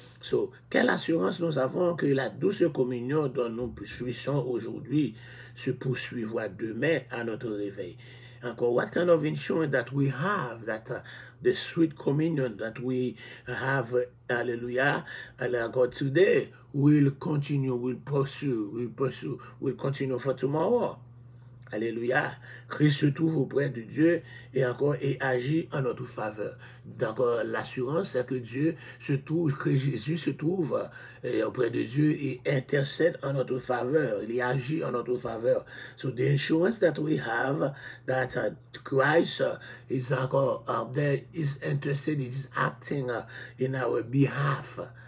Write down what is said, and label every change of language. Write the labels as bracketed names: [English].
[French] So, quelle assurance nous avons que la douce communion dont nous jouissons aujourd'hui se poursuivra demain à notre réveil. [English] Encore, what kind of insurance that we have, that the sweet communion that we have, hallelujah, hallelujah, God, today, will continue, will continue for tomorrow. [French] Alléluia. Christ se trouve auprès de Dieu et encore et agit en notre faveur. Donc l'assurance c'est que Dieu se trouve, que Jésus se trouve auprès de Dieu et intercède en notre faveur. Il agit en notre faveur. [English] So the insurance that we have that Christ is encore there, is interceding, is acting in our behalf.